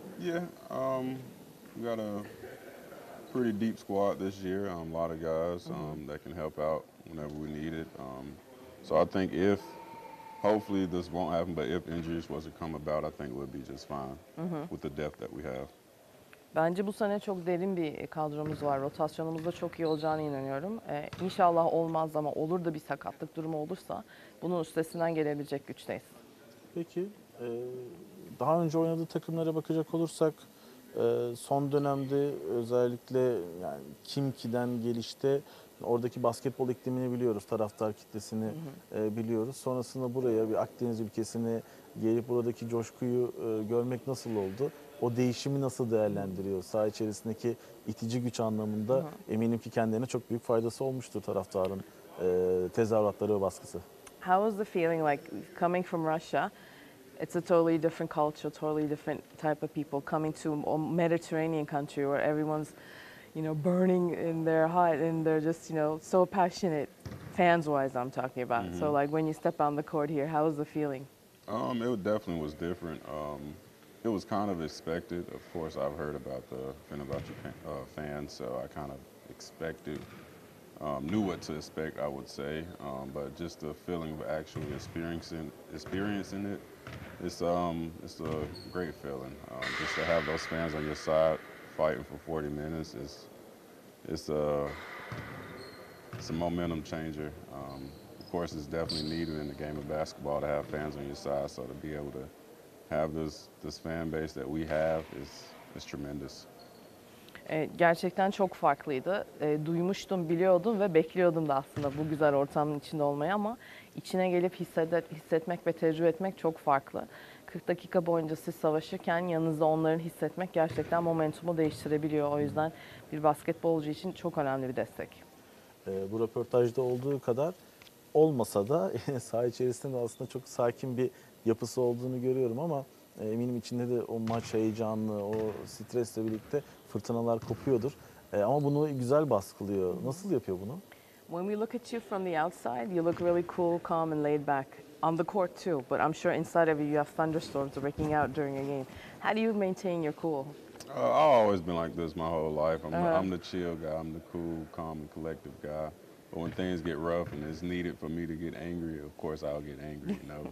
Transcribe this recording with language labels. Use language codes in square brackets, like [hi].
[en] Yeah, we got a pretty deep squad this year. A lot of guys that can help out whenever we need it. So I think if hopefully this won't happen, but if injuries was to come about, I think we'll be just fine with the depth that we have. [tr] Bence bu sene çok derin bir kadromuz var. Rotasyonumuz da çok iyi olacağına inanıyorum. İnşallah olmaz ama olur da bir sakatlık durumu olursa bunun üstesinden gelebilecek güçteyiz. Peki, daha önce oynadığı takımlara bakacak olursak son dönemde özellikle yani kim kiden gelişti? Oradaki basketbol iklimini biliyoruz, taraftar kitlesini biliyoruz. Sonrasında buraya bir Akdeniz ülkesine gelip buradaki coşkuyu görmek nasıl oldu? O değişimi nasıl değerlendiriyor? Saha içerisindeki itici güç anlamında eminim ki kendine çok büyük faydası olmuştur taraftarın tezahüratları ve baskısı. [en] How was the feeling like coming from Russia? It's a totally different culture, totally different type of people coming to a Mediterranean country where everyone's, you know, burning in their heart and they're just, you know, so passionate fans-wise I'm talking about. So like when you step on the court here, how was the feeling? It definitely was different. It was kind of expected. Of course, I've heard about the Fenerbahce fans, so I kind of expected, knew what to expect, I would say. But just the feeling of actually experiencing it, it's a great feeling. Just to have those fans on your side fighting for 40 minutes, it's a momentum changer. Of course, it's definitely needed in the game of basketball to have fans on your side, so to be able to have this fan base that we have is tremendous. [tr] Gerçekten çok farklıydı. Duymuştum, biliyordum ve bekliyordum da aslında bu güzel ortamın içinde olmayı, ama içine gelip hissetmek ve tecrübe etmek çok farklı. 40 dakika boyunca siz savaşırken yanınızda onların hissetmek gerçekten momentumu değiştirebiliyor. O yüzden bir basketbolcu için çok önemli bir destek. Bu röportajda olduğu kadar olmasa da saha içerisinde de aslında çok sakin bir yapısı olduğunu görüyorum, ama eminim içinde de o maç heyecanı, o stresle birlikte fırtınalar kopuyordur. Ama bunu güzel baskılıyor. Nasıl yapıyor bunu? [en] When we look at you from the outside, you look really cool, calm and laid back on the court too. But I'm sure inside of you, you have thunderstorms breaking out during your game. How do you maintain your cool? I've always been like this my whole life. I'm the chill guy. I'm the cool, calm and collective guy. But when things get rough and it's needed for me to get angry, of course I'll get angry, you know.